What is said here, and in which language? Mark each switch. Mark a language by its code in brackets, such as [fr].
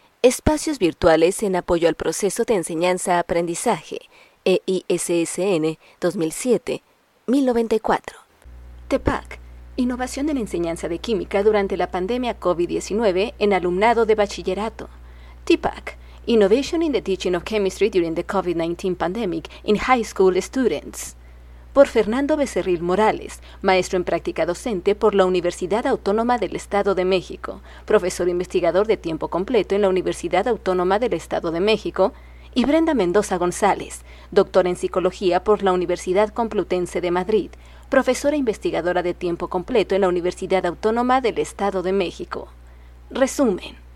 [es] Espacios virtuales en apoyo al proceso de enseñanza-aprendizaje, EISSN 2007-1094. TEPAC, Innovación en Enseñanza de Química durante la pandemia COVID-19 en alumnado de bachillerato. [en] TEPAC, Innovation in the Teaching of Chemistry during the COVID-19 Pandemic in High School Students. [es] Por Fernando Becerril Morales, maestro en práctica docente por la Universidad Autónoma del Estado de México, profesor investigador de tiempo completo en la Universidad Autónoma del Estado de México, y Brenda Mendoza González, doctora en psicología por la Universidad Complutense de Madrid, profesora investigadora de tiempo completo en la Universidad Autónoma del Estado de México. Resumen.